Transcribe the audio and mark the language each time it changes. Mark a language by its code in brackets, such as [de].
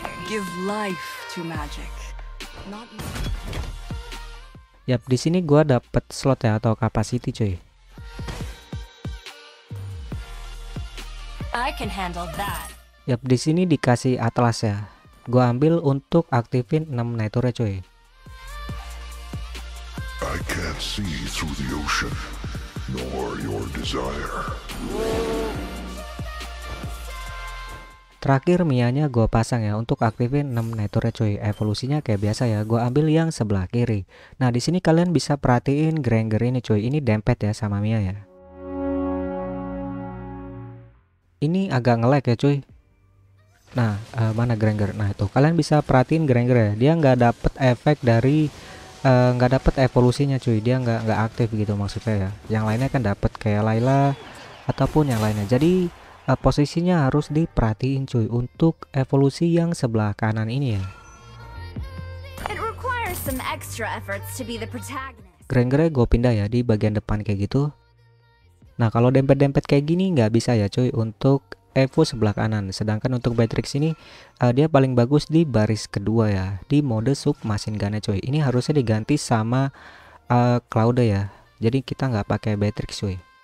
[en] Give life to magic. Not... [id] Yap, di sini gua dapet slot ya atau capacity cuy. [en] I can handle that. [id] Yap, di sini dikasih atlas ya. Gua ambil untuk aktifin 6 nature cuy. [en] I can't see through the ocean, nor your desire. [id] Terakhir Mianya gue pasang ya untuk aktifin 6 nature cuy. Evolusinya kayak biasa ya, gue ambil yang sebelah kiri. Nah, di sini kalian bisa perhatiin Granger ini cuy, ini dempet ya sama Mia ya. Ini agak nge-lag ya cuy. Nah, mana Granger? Nah itu kalian bisa perhatiin Granger ya, dia nggak dapet efek dari nggak dapet evolusinya cuy, dia nggak aktif gitu maksudnya ya. Yang lainnya kan dapet kayak Layla ataupun yang lainnya. Jadi posisinya harus diperhatiin cuy untuk evolusi yang sebelah kanan ini ya. [en] It requires some extra efforts to be the protagonist. [id] Granger-nya gue pindah ya di bagian depan kayak gitu. Nah, kalau dempet-dempet kayak gini nggak bisa ya cuy untuk evo sebelah kanan. Sedangkan untuk Beatrix ini dia paling bagus di baris kedua ya, di mode submachine gun-nya cuy. Ini harusnya diganti sama Claude ya, jadi kita nggak pakai Beatrix cuy.